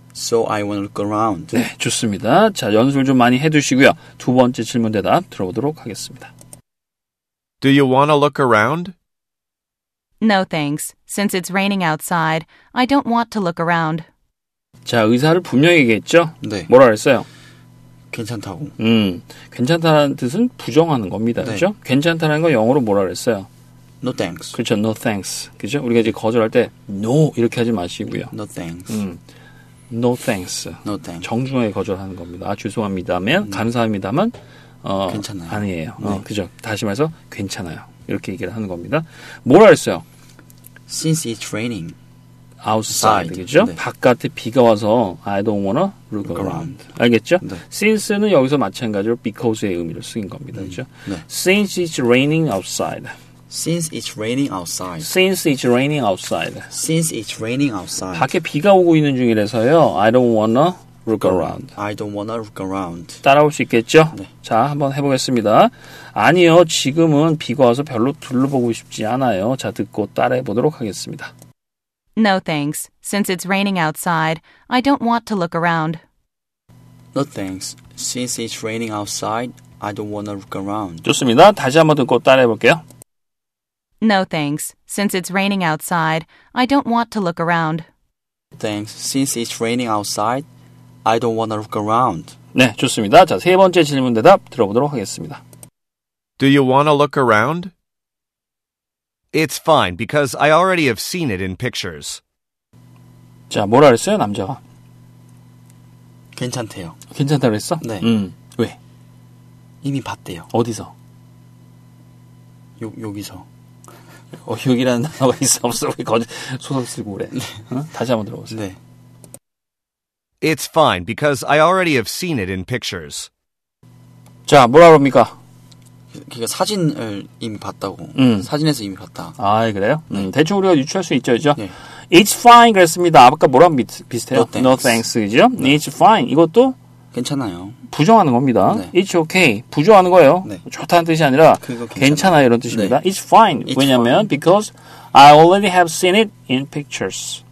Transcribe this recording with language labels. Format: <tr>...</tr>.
<en>So I want to look around.</en> <ko>네, 좋습니다. 자, 연습을 좀 많이 해두시고요. 두 번째 질문 대답 들어보도록 하겠습니다.</ko> <en>Do you want to look around? No, thanks. Since it's raining outside, I don't want to look around.</en> <ko>자, 의사를 분명히 얘기했죠? 네. 뭐라 그랬어요? 괜찮다고. 괜찮다는 뜻은 부정하는 겁니다. 네. 그렇죠? 괜찮다는 건 영어로 뭐라 그랬어요?</ko> <en>No thanks.</en> <ko>그렇죠.</ko> <en>No thanks.</en> <ko>그렇죠? 우리가 이제 거절할 때 no 이렇게 하지 마시고요.</ko> <en>No thanks. No thanks. No thanks.</en> <ko>정중하게 거절하는 겁니다. 아, 죄송합니다만 감사합니다만 괜찮아요. 아니에요. 네. 그렇죠. 다시 말해서 괜찮아요. 이렇게 얘기를 하는 겁니다. 뭐라 했어요?</ko> <en>Since it's raining outside.</en> <ko>그렇죠? 네. 바깥에 비가 와서</ko> <en>I don't wanna look around.</en> <ko>알겠죠? 네. Since는 여기서 마찬가지로 because의 의미를 쓰인 겁니다. 그렇죠? 네.</ko> <en>Since it's raining outside. Since it's raining outside. Since it's raining outside. Since it's raining outside.</en> <ko>밖에 비가 오고 있는 중이라서요.</ko> <en>I don't wanna look around. I don't wanna look around.</en> <ko>따라올 수 있겠죠? 네. 자, 한번 해보겠습니다. 아니요, 지금은 비가 와서 별로 둘러보고 싶지 않아요. 자, 듣고 따라해보도록 하겠습니다.</ko> <en>No thanks. Since it's raining outside, I don't want to look around. No thanks. Since it's raining outside, I don't wanna look around.</en> <ko>좋습니다. 다시 한번 듣고 따라해볼게요.</ko> <en>No thanks. Since it's raining outside, I don't want to look around. Thanks. Since it's raining outside, I don't want to look around.</en> <ko>네, 좋습니다. 자, 세 번째 질문 대답 들어보도록 하겠습니다.</ko> <en>Do you want to look around? It's fine because I already have seen it in pictures.</en> <ko>자, 뭐라 그랬어요, 남자가? 괜찮대요. 괜찮다고 그랬어? 네. 왜? 이미 봤대요. 어디서? 여기서. 여기라는 단어가 있어 없어 왜 거짓 소설 쓰고 그래 네. 다시 한번 들어보세요 네.</ko> <en>It's fine because I already have seen it in pictures</en> <ko>자 뭐라 그럽니까 그러니까 사진을 이미 봤다고 사진에서 이미 봤다 아 그래요? 네. 대충 우리가 유추할 수 있죠 그죠? 네.</ko> <en>It's fine</en> <ko>그랬습니다 아까 뭐랑 비슷해요?</ko> <en>No thanks, no thanks</en> <ko>그죠?</ko> <en>네. It's fine</en> <ko>이것도 괜찮아요 부정하는 겁니다 네.</ko> <en>It's okay</en> <ko>부정하는 거예요 네. 좋다는 뜻이 아니라 괜찮아요 이런 뜻입니다 네.</ko> <en>It's fine it's</en> <ko>왜냐하면</ko> <en>fine. Because I already have seen it in pictures</en>